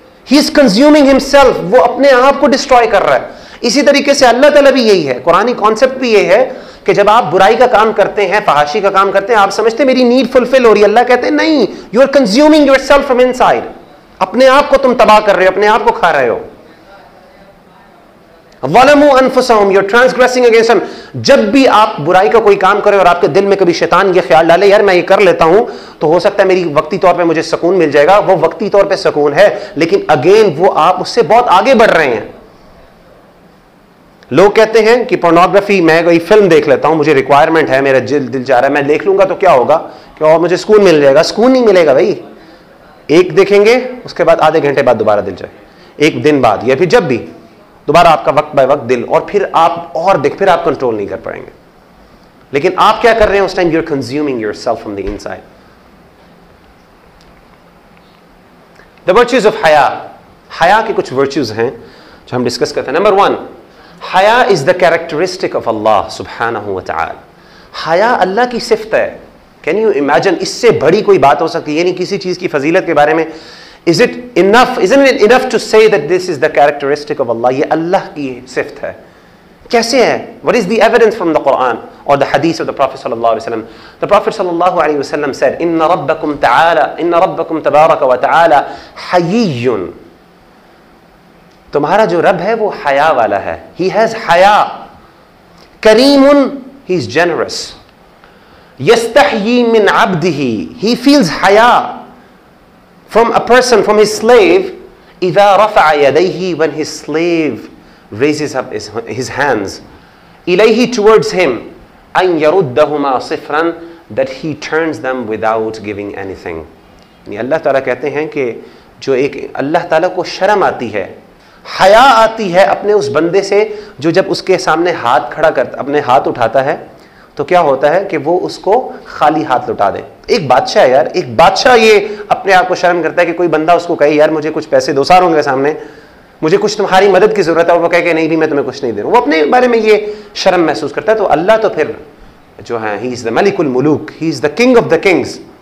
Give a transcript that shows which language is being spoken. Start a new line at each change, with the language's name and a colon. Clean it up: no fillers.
English: he is consuming himself,
Urdu: وہ اپنے آپ کو ڈسٹروائے کر رہا ہے. اسی طریقے سے اللہ تعالیٰ بھی یہی ہے, قرآنی کانسیپٹ بھی یہ ہے کہ جب آپ برائی کا کام کرتے ہیں, فحاشی کا کام کرتے ہیں, آپ سمجھتے ہیں میری نیڈ فلفل ہو رہی ہے, اللہ کہتے ہیں نہیں,
English: you are consuming yourself from inside,
Urdu: اپنے آپ کو تم تباہ کر رہے ہو, اپنے آپ کو کھا رہے ہو.
Arabic: وَلَمُوا أَنفُسَهُمْ,
English: you're transgressing against them.
Urdu: جب بھی آپ برائی کا کوئی کام کرے اور آپ کے دل میں کبھی شیطان یہ خیال ڈالے یار میں یہ کر لیتا ہوں تو ہو سکتا ہے میری وقتی طور پہ مجھے سکون مل جائے گا, وہ وقتی طور پہ سکون ہے, لیکن اگین وہ آپ اس سے بہت آگے بڑھ رہے ہیں. لوگ کہتے ہیں کہ پورنوگرافی, میں کوئی فلم دیکھ لیتا ہوں, مجھے ریکوائرمنٹ ہے, میرا دل چاہ رہا ہے, میں دیکھ لوں گا تو کیا ہوگا, کہ اور مجھے سکون مل جائے گا. سکون نہیں ملے گا بھائی, ایک دیکھیں گے اس کے بعد آدھے گھنٹے بعد دوبارہ دل جائے, ایک دن بعد یا پھر جب بھی دوبارہ آپ کا وقت بائی وقت دل, اور پھر آپ اور دیکھ, پھر آپ کنٹرول نہیں کر پائیں گے. لیکن آپ کیا کر رہے ہیں اس time,
English: You are consuming yourself from the inside. The virtues of haya,
Urdu: حیا کے کچھ ورچوز ہیں جو ہم ڈسکس کرتے ہیں.
English: Number one, haya is the characteristic of Allah سبحانہ و تعالی.
Urdu: حیا اللہ کی صفت ہے.
English: can you imagine,
Urdu: اس سے بڑی کوئی بات ہو سکتی ہے, یعنی کسی چیز کی فضیلت کے بارے میں.
English: Is it enough, isn't it enough to say that this is the characteristic of Allah?
Urdu: یہ اللہ کی صفت ہے. کیسے ہے؟
English: What is the evidence from the Quran or the hadith of the Prophet صلی اللہ علیہ وسلم? The Prophet
Arabic: صلی اللہ علیہ وسلم said, إِنَّ رَبَّكُمْ تَعَالَى, إِنَّ رَبَّكُمْ تَبَارَكَ وَتَعَالَى حَيِّيٌّ,
Urdu: تمہارا جو رب ہے وہ حیا والا ہے.
English: He has حیا.
Arabic: كَرِيمٌ,
English: He is generous.
Arabic: يَسْتَحْيِي مِنْ عَبْدِهِ,
English: He feels حیا. From a person, from his slave,
Arabic: إِذَا رَفَعَ يَدَيْهِ,
English: when his slave raises up his hands,
Arabic: إِلَيْهِ,
English: towards him,
Arabic: أَنْ يَرُدَّهُمَا صِفْرًا,
English: that he turns them without giving anything.
Urdu: یعنی اللہ تعالیٰ کہتے ہیں کہ جو ایک اللہ تعالیٰ کو شرم آتی ہے, حیا آتی ہے اپنے اس بندے سے جو جب اس کے سامنے ہاتھ کھڑا کرتا, اپنے ہاتھ اٹھاتا ہے تو کیا ہوتا ہے کہ وہ اس کو خالی ہاتھ لٹا دے. ایک بادشاہ ہے یار, ایک بادشاہ یہ اپنے آپ کو شرم کرتا ہے کہ کوئی بندہ اس کو کہے یار مجھے کچھ پیسے دو, ساروں کے سامنے مجھے کچھ تمہاری مدد کی ضرورت ہے, اور وہ کہے کہ نہیں بھی میں تمہیں کچھ نہیں دے رہا ہوں, وہ اپنے بارے میں یہ شرم محسوس کرتا ہے. تو اللہ تو پھر جو ہے,
English: He is the ملک الملوک, he is the king of the kings.